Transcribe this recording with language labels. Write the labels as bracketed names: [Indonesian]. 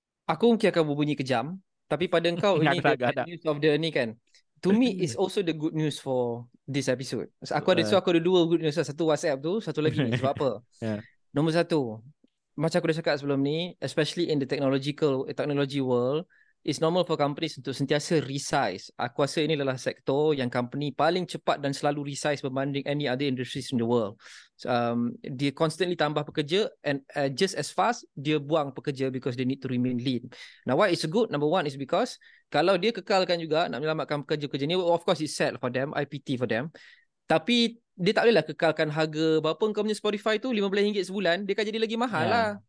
[Malay] Aku mungkin akan berbunyi kejam, tapi pada engkau ini [English] the bad news of the [Malay] ni kan. [English] To me is also the good news for this episode. [Malay] Aku ada dua [English] good news [Malay] lah. Satu WhatsApp tu, satu lagi ni sebab apa. Nombor satu, macam aku dah cakap sebelum ni, [English] especially in the technology world, it's normal for companies [Malay] untuk sentiasa resize. Aku rasa ini adalah sektor yang company paling cepat dan selalu resize berbanding [English] any other industries in the world. [Malay] Dia [English] constantly [Malay] tambah pekerja, [English] and just as fast [Malay] dia buang pekerja [English] because they need to remain lean. Now why it's good? Number one is because [Malay] kalau dia kekalkan juga nak menyelamatkan pekerja-pekerja ni, [English] of course it's sad for them, I pity for them. [Malay] Tapi dia tak bolehlah kekalkan harga berapa kau punya Spotify tu, RM15 sebulan, dia akan jadi lagi mahal lah.